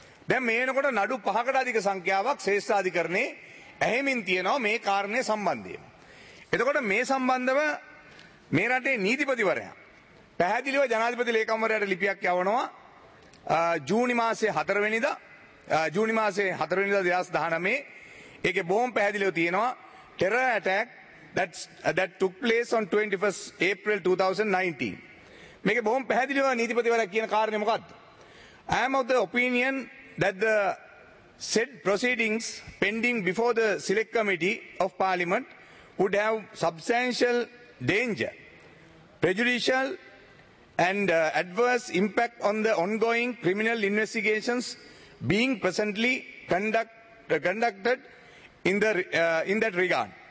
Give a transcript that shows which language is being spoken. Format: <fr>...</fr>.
<si>දැන් මේ වෙනකොට නඩු 5කට අධික සංඛ්‍යාවක් ශ්‍රේෂ්ඨාධිකරණේ ඇහෙමින් තියෙනවා මේ කාරණේ සම්බන්ධයෙන්. එතකොට මේ සම්බන්ධව මේ රටේ නීතිපතිවරයා පැහැදිලිව ජනාධිපති ලේකම්වරයාට ලිපියක් යවනවා ජූනි මාසේ 4 වෙනිදා 2019. ඒකේ බොහොම පැහැදිලිව තියෙනවා</si> <en>terror attack that took place on 21st April 2019.</en> <si>මේකේ බොහොම පැහැදිලිව නීතිපතිවරයා කියන කාරණේ මොකද්ද?</si> <en>I am of the opinion that the said proceedings pending before the select committee of parliament would have substantial danger, prejudicial and adverse impact on the ongoing criminal investigations being presently conducted in that regard.</en>